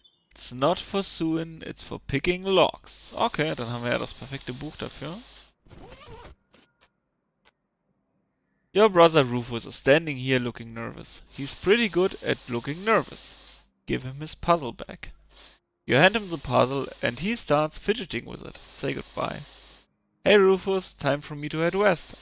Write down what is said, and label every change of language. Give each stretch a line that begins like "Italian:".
English: It's not for sewing, it's for picking locks.
German: Okay, dann haben wir ja das perfekte Buch dafür.
English: Your brother Rufus is standing here looking nervous. He's pretty good at looking nervous. Give him his puzzle back. You hand him the puzzle and he starts fidgeting with it. Say goodbye. Hey Rufus, time for me to head west.